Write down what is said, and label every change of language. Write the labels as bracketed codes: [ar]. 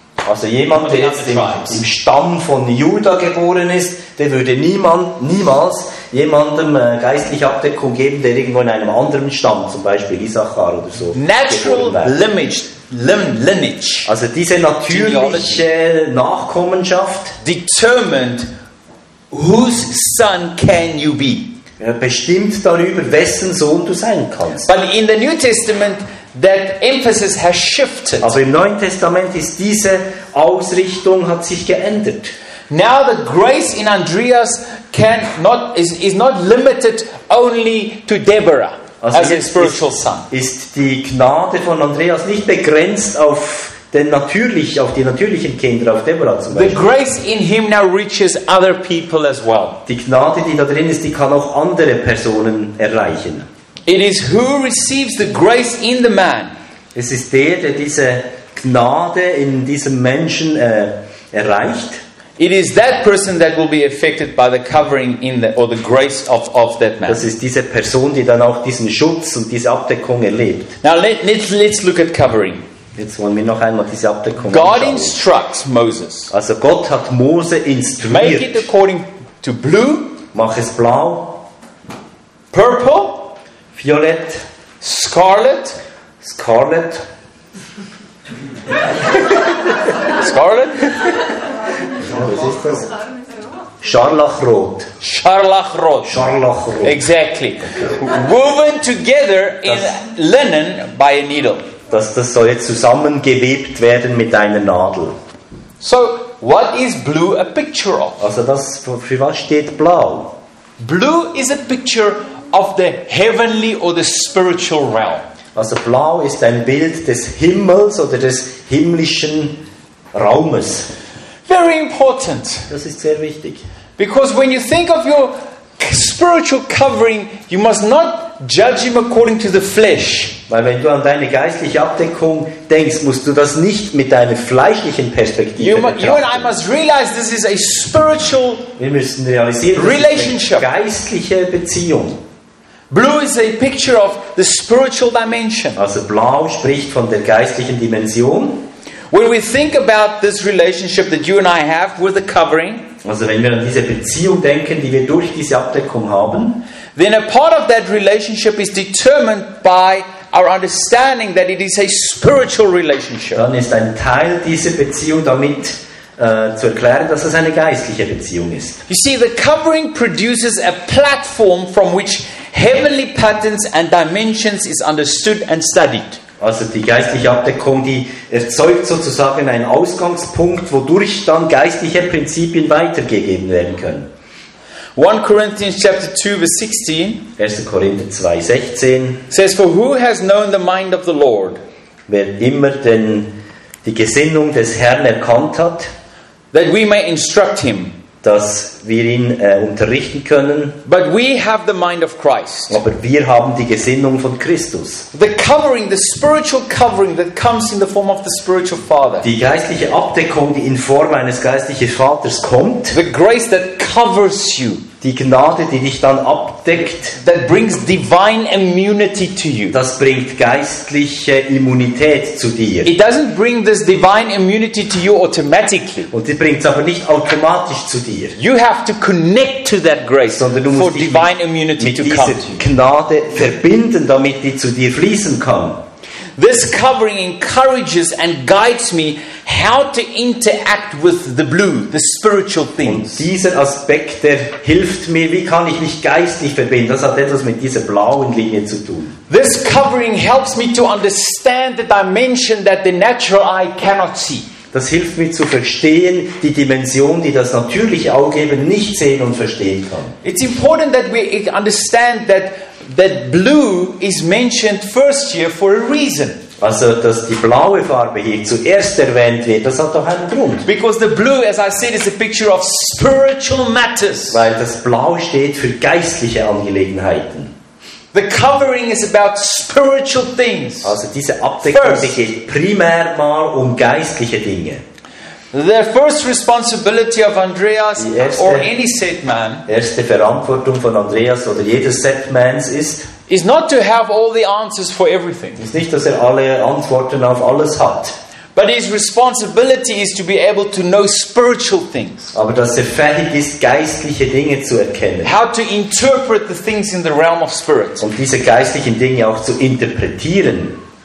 [de] Also jemand, der jetzt im Stamm von Judah geboren ist, der würde niemals jemandem geistliche Abdeckung geben, der irgendwo in einem anderen Stamm, zum Beispiel Issachar oder so. [en] Natural lineage. Lineage. [de] Also diese natürliche Nachkommenschaft [en] determined whose son can you be. [de] Bestimmt darüber, wessen Sohn du sein kannst. [en] But in the New Testament that emphasis has shifted. [de] Also im Neuen Testament ist diese Ausrichtung hat sich geändert. [en] Now the grace in Andreas is not limited only to Deborah. Also as a spiritual son. [de] Ist die Gnade von Andreas nicht begrenzt auf die natürlichen Kinder, auf Deborah zum Beispiel. [en] The grace in him now reaches other people as well. [de] Die Gnade, die da drin ist, die kann auch andere Personen erreichen. [en] It is who receives the grace in the man. [de] Es ist der, der diese Gnade in diesem Menschen erreicht. [en] It is that person that will be affected by the covering in the or the grace of that man. [de] Das ist diese Person, die dann auch diesen Schutz und diese Abdeckung erlebt. [en] Now let's look at covering. [de] Jetzt wollen wir noch einmal diese Abdeckung. [en] God instructs Moses. [de] Also Gott hat Mose instruiert. [en] Make it according to blue. [de] Mach es blau. [en] Purple. [de] Violett. [en] Scarlet. Scarlet. Scarlet. [de] Scharlachrot. Scharlachrot. Scharlachrot. [en] Exactly. Woven together in linen by a needle. [de] Das soll jetzt zusammengewebt werden mit einer Nadel. [en] So, what is blue a picture of? [de] Also das, für was steht blau? [en] Blue is a picture of the heavenly or the spiritual realm. [de] Also blau ist ein Bild des Himmels oder des himmlischen Raumes. [en] Very important. [de] Das ist sehr wichtig. [en] Because when you think of your spiritual covering, you must not judge him according to the flesh. [de] Weil wenn du an deine geistliche Abdeckung denkst, musst du das nicht mit deiner fleischlichen Perspektive betrachten. [en] You and I must realize this is a spiritual relationship. [de] Geistliche Beziehung. [en] Blue is a picture of the spiritual dimension. [de] Also blau spricht von der geistlichen Dimension. [en] When we think about this relationship that you and I have with the covering, [de] also wenn wir an diese Beziehung denken, die wir durch diese Abdeckung haben, [en] then a part of that relationship is determined by our understanding that it is a spiritual relationship. [de] Dann ist ein Teil dieser Beziehung damit zu erklären, dass es eine geistliche Beziehung ist. [en] You see, the covering produces a platform from which heavenly patterns and dimensions is understood and studied. [de] Also die geistliche Abdeckung, die erzeugt sozusagen einen Ausgangspunkt, wodurch dann geistliche Prinzipien weitergegeben werden können. [en] 1 Corinthians chapter 2 verse 16. [de] 1. Korinther 2, 16. [en] Says, for who has known the mind of the Lord? [de] Wer immer denn die Gesinnung des Herrn erkannt hat, [en] that we may instruct him. [de] Dass wir ihn unterrichten können. [en] But we have the mind of Christ. [de] Aber wir haben die Gesinnung von Christus. [en] The covering, the spiritual covering that comes in the form of the spiritual father. [de] Die geistliche Abdeckung, die in Form eines geistlichen Vaters kommt. [en] The grace that covers you. [de] Die Gnade, die dich dann abdeckt. [en] That brings divine immunity to you. [de] Das bringt geistliche Immunität zu dir. [en] It doesn't bring this divine immunity to you automatically. [de] Und die bringt es aber nicht automatisch zu dir. [en] You have to connect to that grace, [de] sondern du musst [en] for divine immunity [de] mit [en] to [de] dieser [en] come. [de] Gnade verbinden, damit die zu dir fließen kann. [en] This covering encourages and guides me how to interact with the blue, the spiritual things. [de] Und dieser Aspekt, der hilft mir, wie kann ich mich geistlich verbinden? Das hat etwas mit dieser blauen Linie zu tun. [en] This covering helps me to understand the dimension that the natural eye cannot see. [de] Das hilft mir zu verstehen die Dimension, die das natürliche Auge eben nicht sehen und verstehen kann. [en] It's important that we understand that blue is mentioned first here for a reason. [de] Also, dass die blaue Farbe hier zuerst erwähnt wird, das hat doch einen Grund. [en] Because the blue, as I said, is a picture of spiritual matters. [de] Weil das Blau steht für geistliche Angelegenheiten. [en] The covering is about spiritual things. [de] Also diese Abdeckung geht primär mal um geistliche Dinge. [en] The first responsibility of Andreas or any set man. [de] Erste Verantwortung von Andreas oder jedes Setmans [en] is not to have all the answers for everything. [de] Ist nicht, dass alle Antworten auf alles hat. [en] But his responsibility is to be able to know spiritual things. [de] Aber dass er fähig ist, geistliche Dinge zu erkennen. [en] How to interpret the things in the realm of spirit. [de] Und diese geistlichen Dinge auch zu interpretieren.